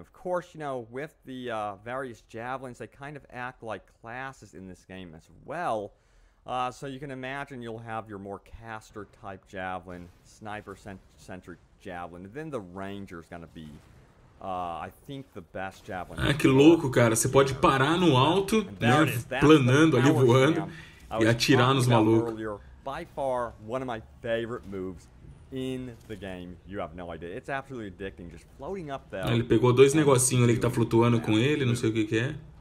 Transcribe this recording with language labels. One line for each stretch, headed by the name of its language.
English: Of course, you know, with the various javelins, they kind of act like classes in this game as well. So you can imagine you'll have your more caster type javelin, sniper centric javelin, and then the ranger is going to be I think the best javelin.
Portuguese: Ah, que louco, cara. Você pode parar no alto, né, planando ali, voando, e atirar nos malucos.
English: By far, one of my favorite moves in the game. You have no idea. It's absolutely addicting, just floating up there.
Portuguese: Ele pegou dois negocinhos ali que tá flutuando com ele, não sei o que que é.